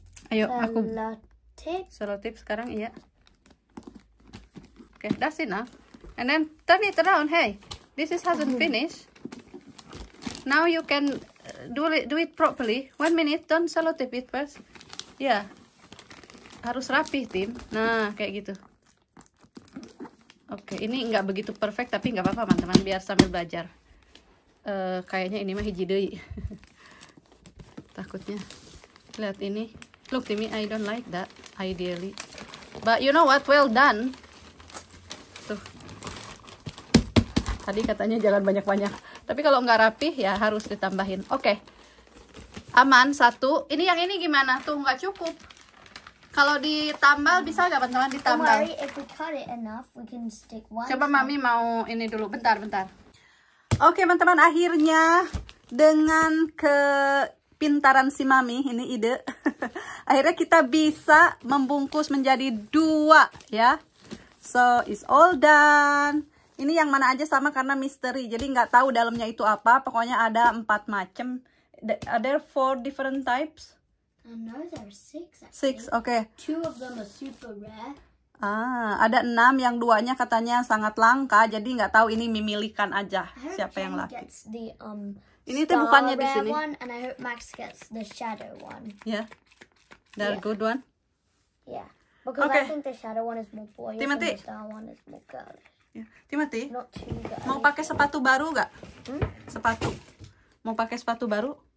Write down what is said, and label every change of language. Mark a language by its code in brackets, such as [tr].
[id] Ayo aku selotip sekarang, iya. [en] Okay, that's enough. And then turn it around. Hey, this is hasn't finished. Now you can do it properly. 1 minute. Don't selotip it first. [id] Ya, harus rapi, Tim. Nah, kayak gitu. Oke, ini nggak begitu perfect, tapi nggak apa-apa, teman-teman. Biar sambil belajar. Kayaknya ini [su] mah hiji deui. [id] Takutnya. Lihat ini. [en] Look, Timmy, I don't like that, ideally. But you know what? Well done. Tuh. [id] Tadi katanya jangan banyak-banyak. Tapi kalau nggak rapi, ya harus ditambahin. Oke. Aman, satu. Ini yang ini gimana? Tuh, nggak cukup. Kalau ditambal, bisa nggak, teman-teman, ditambal? [en] Don't worry, if we cut it enough, we can stick one. [id] Coba Mami mau ini dulu. Bentar, bentar. Oke, teman-teman, akhirnya dengan kepintaran si Mami, ini ide. Akhirnya kita bisa membungkus menjadi dua, ya. [en] So, it's all done. [id] Ini yang mana aja sama karena misteri. Jadi, nggak tahu dalamnya itu apa. Pokoknya ada 4 macam. [en] Are there 4 different types? No, there are 6. 6, okay. 2 of them are super rare. [id] Ada 6 yang duanya katanya sangat langka. Jadi nggak tahu ini mimilikan aja siapa yang laki. [en] The, [id] ini tuh bukannya di sini. [en] One, and I hope Max gets the shadow one. Yeah. That yeah. Good one? Yeah. Because okay. I think the shadow one is more boy. The star one is more girl. [id] Yeah. Timothy. Mau pakai sepatu baru enggak? Sepatu. Mau pakai sepatu baru?